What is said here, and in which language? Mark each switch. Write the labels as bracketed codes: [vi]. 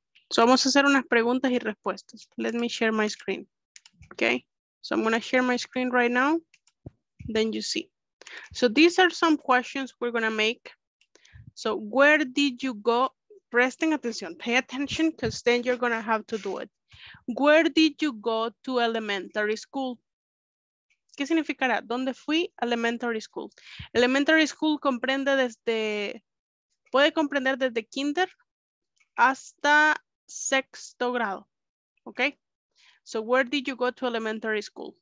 [es] So vamos a hacer unas preguntas y respuestas. [en] Let me share my screen. Okay. So I'm going to share my screen right now. Then you see. So these are some questions we're going to make. So where did you go? [es] Presting atención. [en] Pay attention because then you're going to have to do it. Where did you go to elementary school? [es] ¿Qué significará? ¿Dónde fui? [en] Elementary school. [es] Elementary school comprende desde, puede comprender desde kinder hasta sexto grado. ¿Ok? [en] So where did you go to elementary school?